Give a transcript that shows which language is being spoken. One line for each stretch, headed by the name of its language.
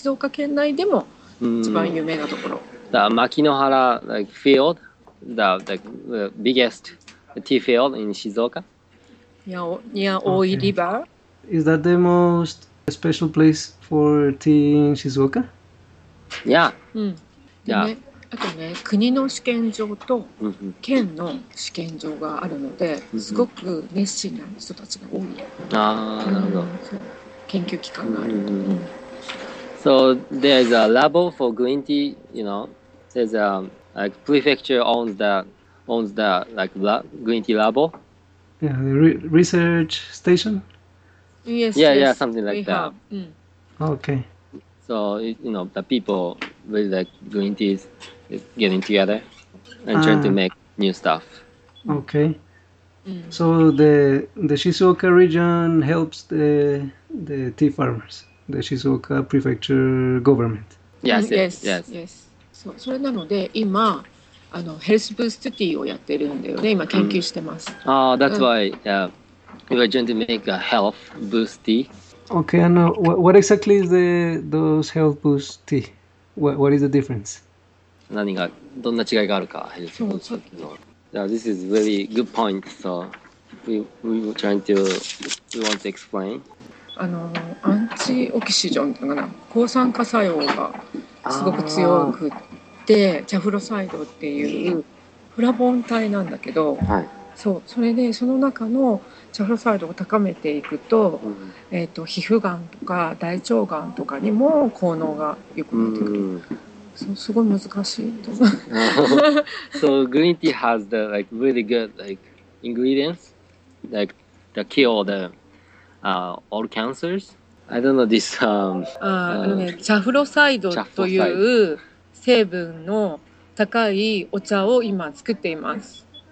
Japanese: Shizuoka 県内でも一番有名なところ。
English: The Makinohara like, field, the biggest tea field in Shizuoka. near Oi River. Is that the most special place for tea in Shizuoka? Yeah.
Japanese: あとね、国の試験場と県の試験場があるので、すごく熱心な人たちが多い。あ、なるほど。研究機関がある。
English: So there's a lab for green tea, you know. There's a like prefecture owns the like green tea lab. Yeah, the research station. Yes, something like that. Okay. So you know the people with like green teas getting together and trying to make new stuff. Okay. So the Shizuoka region helps the tea farmers. The Shizuoka Prefecture Government. Yes.
Japanese: そう、それなので今あのヘルスブーストティーをやってるんだよね。今研究してます。
English: Oh, that's why. Yeah, we're trying to make a health boost tea. Okay, and what exactly is those health boost tea? What is the difference?
Japanese: 何がどんな違いがあるかヘルスブーストティーの。
English: Yeah, this is really good point. So we want to explain.
Japanese: あのアンチオキシジョンというかな、抗酸化作用がすごく強くって、チャフロサイドっていうフラボン体なんだけど、はい、そう、それでその中のチャフロサイドを高めていくと、皮膚がんとか大腸がんとかにも効能が良くなってくる。そう、すごい難しいと思う。
English: So green tea has the like really good like ingredients like that kill theall cancers? I don't know this.
Japanese: チャフロサイドという成分の高いお茶を今作っています。